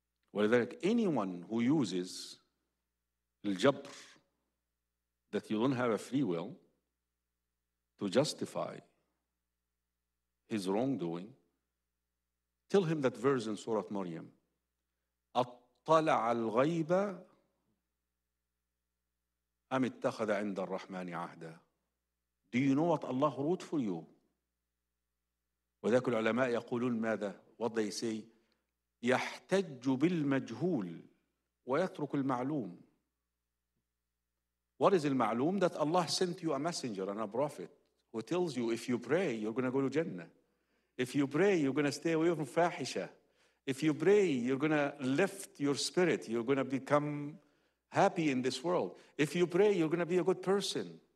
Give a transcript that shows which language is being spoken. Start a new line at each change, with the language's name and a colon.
English: Whether anyone who uses al-jabr, that you don't have a free will to justify his wrongdoing, tell him that verse in Surah Maryam,
Arabic: طلع الغيب أم اتخذ عند الرحمن عهدا.
English: Do you know what Allah wrote for you?
Arabic: وذاك العلماء يقولون ماذا؟
English: What they say?
Arabic: يحتج بالمجهول ويترك المعلوم.
English: What is المعلوم? That Allah sent you a messenger and a prophet who tells you if you pray, you're going to go to Jannah. If you pray, you're going to stay away from fahisha. If you pray, you're going to lift your spirit. You're going to become happy in this world. If you pray, you're going to be a good person.